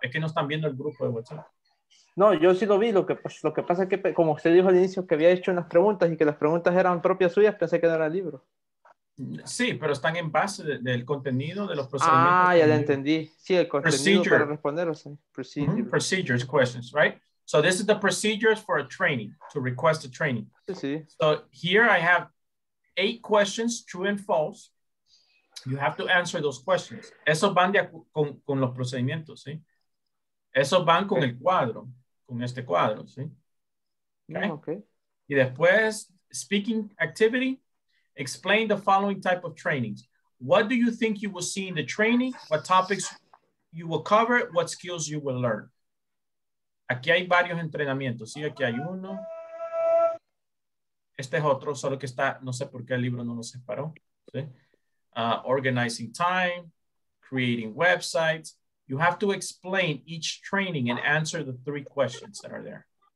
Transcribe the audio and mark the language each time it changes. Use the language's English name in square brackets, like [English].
[Spanish] Es que no están viendo el grupo de WhatsApp. No, yo sí lo vi. Lo que pasa es que, como usted dijo al inicio, que había hecho unas preguntas y que las preguntas eran propias suyas, pensé que no era el libro. Sí, pero están en base del contenido de los procedimientos. Ya lo entendí. Sí, el contenido para responderlos. O sea, procedure. Mm-hmm. [English] Procedures, questions, right? So this is the procedures for a training, to request a training. [Spanish] Sí. [English] So here I have 8 questions, true and false. You have to answer those questions. [Spanish] Esos van con los procedimientos, ¿sí? Esos van con el cuadro, con este cuadro, ¿sí? [English] Okay. [Spanish] Y después, [English] speaking activity, explain the following type of trainings. What do you think you will see in the training? What topics you will cover? What skills you will learn? [Spanish] Aquí hay varios entrenamientos, ¿sí? Aquí hay uno. Este es otro, solo que está, no sé por qué el libro no lo separó, ¿sí? [English] Organizing time, creating websites. You have to explain each training and answer the 3 questions that are there.